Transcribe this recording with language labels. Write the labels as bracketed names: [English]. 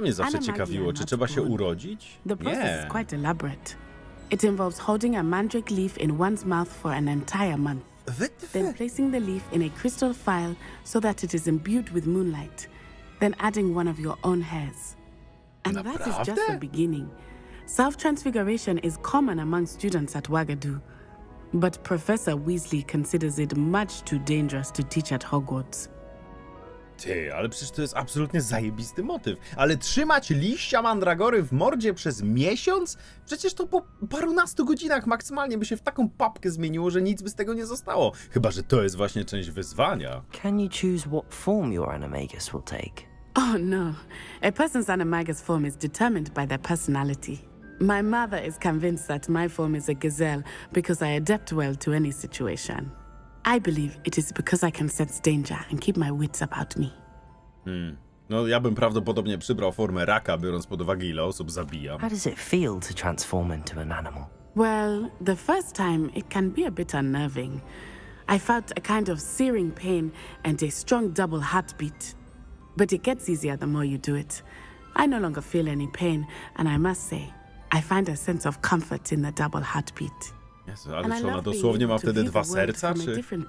[Polish] mnie zawsze ciekawiło, czy trzeba się urodzić? [English] The process is quite elaborate. It involves holding a mandrake leaf in one's mouth for an entire month. Then placing the leaf in a crystal phial so that it is imbued with moonlight. Then adding one of your own hairs. And that is just the beginning. Self-transfiguration is common among students at Wagadu. But Professor Weasley considers it much too dangerous to teach at Hogwarts. [Polish] Ty, ale przecież to jest absolutnie zajebisty motyw. Ale trzymać liścia mandragory w mordzie przez miesiąc? Przecież to po parunastu godzinach maksymalnie by się w taką papkę zmieniło, że nic by z tego nie zostało. Chyba że to jest właśnie część wyzwania. [English] Can you choose what form your animagus will take? Oh no. A person's animagus form is determined by their personality. My mother is convinced that my form is a gazelle because I adapt well to any situation. I believe it is because I can sense danger and keep my wits about me. [Polish] No, ja bym prawdopodobnie przybrał formę raka, biorąc pod uwagę, ile osób zabijam. [English] How does it feel to transform into an animal? Well, the first time it can be a bit unnerving. I felt a kind of searing pain and a strong double heartbeat. But it gets easier the more you do it. I no longer feel any pain, and I must say, I find a sense of comfort in the double heartbeat. [Polish] Jezu, ale czy ona dosłownie ma wtedy dwa serca, czy?